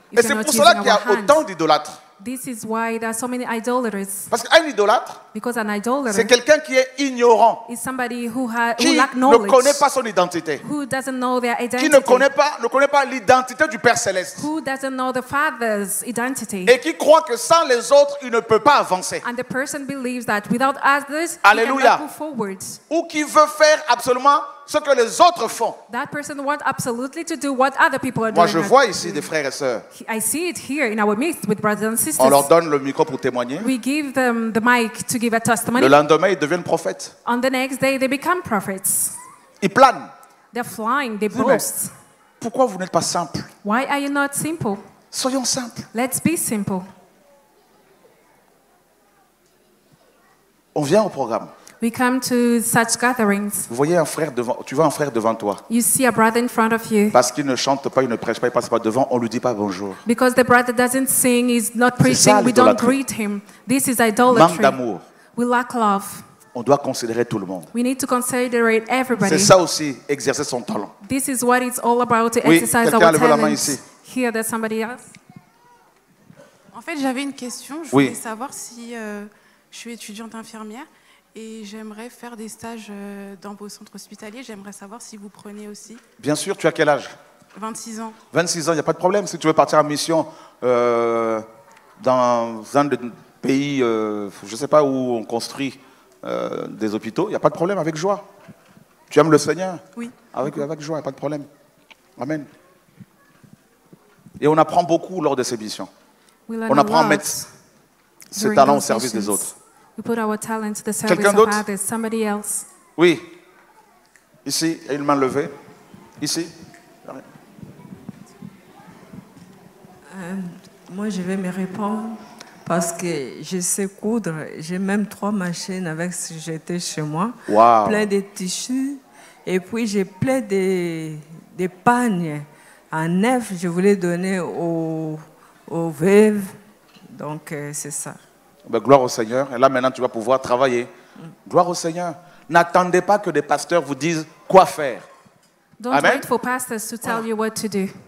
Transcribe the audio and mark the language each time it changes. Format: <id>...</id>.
<fr>Et c'est pour cela qu'il y a autant d'idolâtres.</fr> <en>This is why there are so many idolaters.</en> <fr>Parce qu'un idolâtre, c'est quelqu'un qui est ignorant, qui ne connaît pas son identité, qui ne connaît pas l'identité du Père Céleste,</fr> <en>who doesn't know the Father's identity.</en> <fr>Et qui croit que sans les autres, il ne peut pas avancer.</fr> <en>And the person believes that without others,</en> <fr>alléluia,</fr> <en>he cannot move forward.</en> <fr>Ou qui veut faire absolument ce que les autres font.</fr> <en>That person wants absolutely to do what other people are</en> <fr>Moi,</fr> <en>doing.</en> <fr>Moi, je vois ici des frères et sœurs.</fr> <en>I see it here in our midst with brothers and sisters.</en> <fr>On leur donne le micro pour témoigner.</fr> <en>We give them the mic to give a testimony.</en> <fr>Le lendemain, ils deviennent prophètes.</fr> <en>On the next day, they become prophets.</en> <fr>Ils planent.</fr> <en>They're flying. They boast.</en> <fr>Pourquoi vous n'êtes pas simple?</fr> <en>Why are you not simple?</en> <fr>Soyons simples.</fr> <en>Let's be simple.</en> <fr>On vient au programme.</fr> <en>We come to such gatherings.</en> <fr>Vous voyez un frère devant, tu vois un frère devant toi.</fr> <en>You see a brother in front of you.</en> <fr>Parce qu'il ne chante pas, il ne prêche pas, il passe pas devant, on lui dit pas bonjour.</fr> <en>Because the brother doesn't sing, he's not preaching,</en> <fr>ça,</fr> <en>we don't greet him. This is idolatry.</en> <fr>Manque d'amour.</fr> <en>We lack love.</en> <fr>On doit considérer tout le monde.</fr> <en>We need to consider everybody.</en> <fr>C'est ça aussi, exercer son talent.</fr> <en>This is what it's all about, to</en> <fr>oui,</fr> <en>exercise</en> <fr>quelqu'un a levé la main ici.</fr> <en>Here there's somebody else.</en> <fr>En fait, j'avais une question, je voulais savoir si je suis étudiante infirmière. Et j'aimerais faire des stages dans vos centres hospitaliers. J'aimerais savoir si vous prenez aussi. Bien sûr, tu as quel âge? 26 ans. 26 ans, il n'y a pas de problème. Si tu veux partir en mission dans un pays, je ne sais pas, où on construit des hôpitaux, il n'y a pas de problème, avec joie. Tu aimes le Seigneur? Oui. Avec joie, il n'y a pas de problème. Amen. Et on apprend beaucoup lors de ces missions. On apprend à mettre ses talents au service des autres.</fr> <en>We put our talent to the service of others. Somebody else.</en> <fr>Oui. Ici, il y a une main levée. Ici. Moi, je vais me répondre parce que je sais coudre. J'ai même 3 machines avec ce que j'étais chez moi. Wow. Plein de tissus. Et puis, j'ai plein de pagnes en neuf. Je voulais donner aux veuves. Donc, c'est ça. Ben, gloire au Seigneur. Et là, maintenant, tu vas pouvoir travailler. Gloire au Seigneur.</fr> <en>N'attendez pas que des pasteurs vous disent quoi faire. Don't Amen. Wait for pastors to tell you what to do.</en>